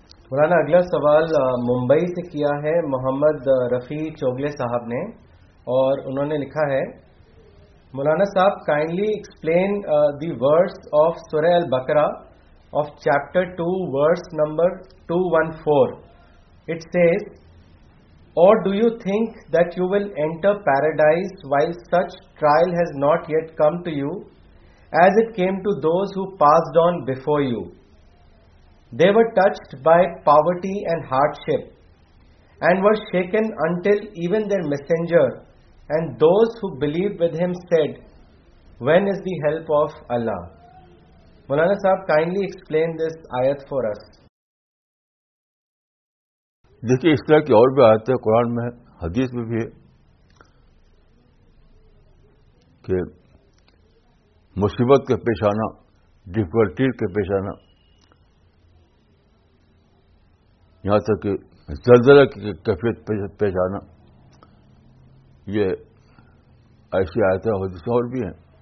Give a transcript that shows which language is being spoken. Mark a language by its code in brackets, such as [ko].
[ur] مولانا اگلا سوال ممبئی سے کیا ہے محمد رفیع چوگلے صاحب نے, اور انہوں نے لکھا ہے, مولانا صاحب [en] Kindly explain the words of سورہ البقرہ of chapter 2 words number 214. It says, اور do you think that you will enter paradise while such trial has not yet come to you as it came to those who passed on before you. They were touched by poverty and hard ship and were shaken until even their messenger and those who believed with him said, when is the help of Allah? Maulana sahab, kindly explain this ayat for us. [ur] دیکھیے اس طرح کی اور بھی آیتیں قرآن میں, حدیث میں بھی ہے کہ مصیبت کے پیش آنا، ڈفیکلٹی کے پیش آنا، یہاں تک کہ زلزلہ کی کیفیت پیش آنا، یہ ایسی آیتیں حدیثیں اور بھی ہیں.